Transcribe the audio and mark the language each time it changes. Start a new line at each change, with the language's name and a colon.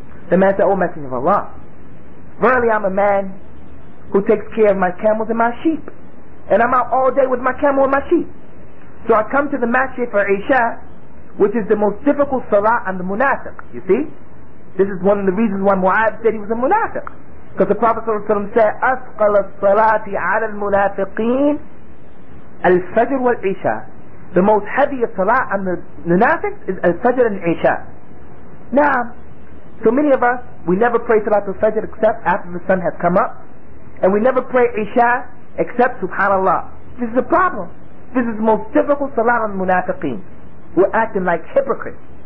English: The man said, "Oh Messenger of Allah, verily I'm a man who takes care of my camels and my sheep. And I'm out all day with my camel and my sheep. So I come to the masjid for Isha, which is the most difficult salah on the munafiq." You see? This is one of the reasons why Mu'adh said he was a munafiq. Because the Prophet ﷺ said,
Arabic: "أثقل الصلاة على المنافقين الفجر والعشاء."
English: The most heavy salah on the munafiqs is al-fajr and Isha. Now, so many of us, we never pray salat al-fajr except after the sun has come up. And we never pray Isha except subhanAllah. This is a problem. This is the most difficult salat on munafiqeen. We're acting like hypocrites.